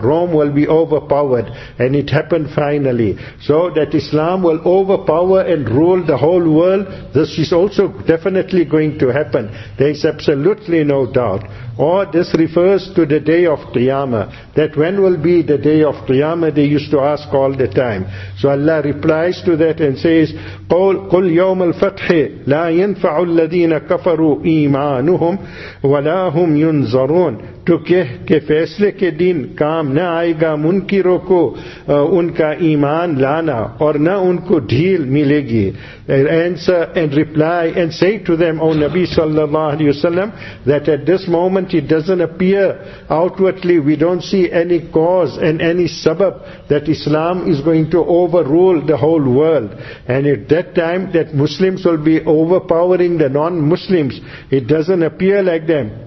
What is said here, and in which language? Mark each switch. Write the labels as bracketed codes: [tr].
[en] Rome will be overpowered. And it happened finally. So that Islam will overpower and rule the whole world, this is also definitely going to happen. There is absolutely no doubt. Or this refers to the day of Qiyamah. That when will be the day of Qiyamah, they used to ask all the time. So Allah replies to that and says, [ar] قُلْ يَوْمَ الْفَتْحِ لَا يَنْفَعُ الَّذِينَ كَفَرُوا إِيمَانُهُمْ وَلَا هُمْ يُنْزَرُونَ [ur] تو کہ فیصلے کے دن کام نہ آئے گا منکروں کو ان کا ایمان لانا اور نہ ان کو ڈھیل ملے گی. [en] Answer and reply and say to them, O Nabi sallallahu alayhi wa sallam, that at this moment it doesn't appear outwardly, we don't see any cause and any sabab that Islam is going to overrule the whole world. And at that time that Muslims will be overpowering the non-Muslims, it doesn't appear like them.